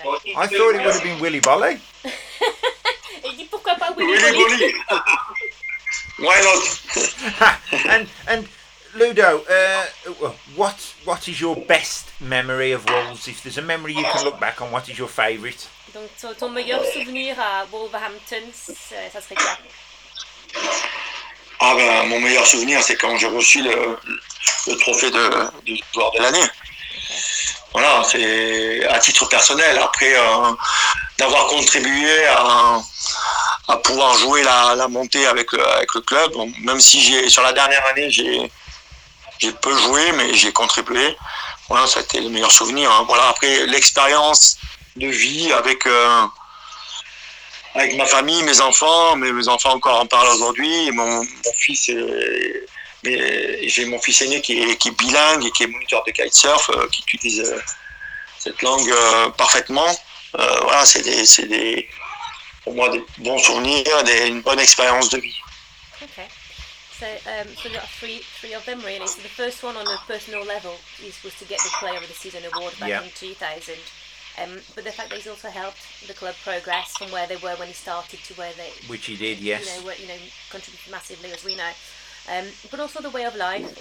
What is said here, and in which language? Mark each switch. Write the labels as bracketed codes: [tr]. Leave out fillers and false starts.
[en] I thought it would have been Willy Bolly. [fr] Il dit pourquoi pas Willy Bolly? [en] Why not? and Ludo, what is your best memory of Wolves? If there's a memory you can look back on, what is your favourite? [fr] Donc ton meilleur souvenir à Wolverhampton, ça serait quoi? Ah ben mon meilleur souvenir, c'est quand j'ai reçu le trophée du joueur de l'année. Voilà, c'est à titre personnel. Après d'avoir contribué à pouvoir jouer la montée avec le club, même si j'ai peu joué, mais j'ai contribué. Voilà, ça a été le meilleur souvenir. Hein. Voilà, après l'expérience de vie avec ma famille, mes enfants, mais mes enfants encore en parlent aujourd'hui. Et mon fils, j'ai mon fils aîné qui est bilingue et qui est moniteur de kitesurf, qui utilise cette langue parfaitement. C'est pour moi des bons souvenirs, une bonne expérience de vie. [en] So we've got three of them really. So the first one on a personal level was to get the Player of the Season award back in 2000. But the fact that he's also helped the club progress from where they were when he started to where they... Which he did, yes. Contributed massively, as we know. But also the way of life.